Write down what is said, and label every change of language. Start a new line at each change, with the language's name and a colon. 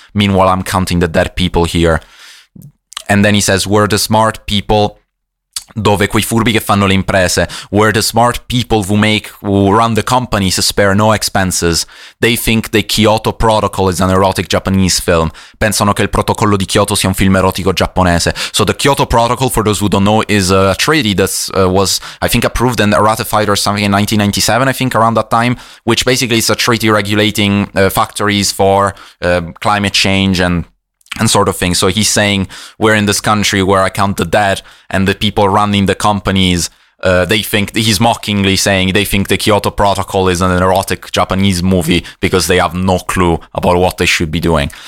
English: Meanwhile, I'm counting the dead people here. And then he says, we're the smart people.
Italian: Dove quei furbi che fanno le imprese,
English: where the smart people who run the companies spare no expenses. They think the Kyoto Protocol is an erotic Japanese film.
Italian: Pensano che il protocollo di Kyoto sia un film erotico giapponese.
English: So the Kyoto Protocol, for those who don't know, is a treaty that was, I think, approved and ratified or something in 1997, I think, around that time, which basically is a treaty regulating factories for climate change and sort of thing. So he's saying, we're in this country where I count the dead, and the people running the companies, he's mockingly saying, they think the Kyoto Protocol is an erotic Japanese movie because they have no clue about what they should be doing.